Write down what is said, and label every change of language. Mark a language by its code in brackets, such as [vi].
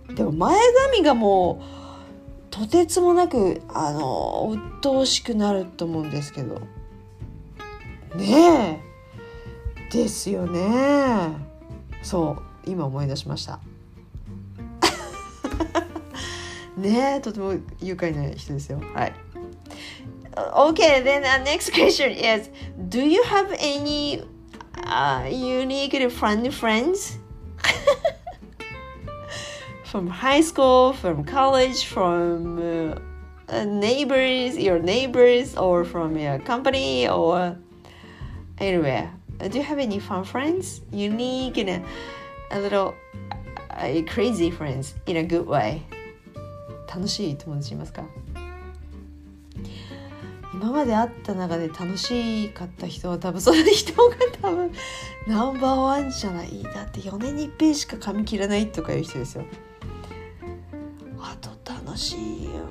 [ja] でも前髪がもうとてつもなく鬱陶しくなると思うんですけどね、えですよね。そう、今思い出しましたねえ、とても愉快な人ですよ。はい、 [en] Okay, then the next question is, do you have any、unique friends from high school, from college, from、neighbors, your neighbors, or from your company, orAnyway, do you have any fun friends? Unique and a little crazy friends in a good way. [ja] 楽しい友達いますか？今まで会った中で楽しかった人は多分その人が多分ナンバーワンじゃない。だって4年に1遍しか髪切らないとかいう人ですよ。あと楽しい。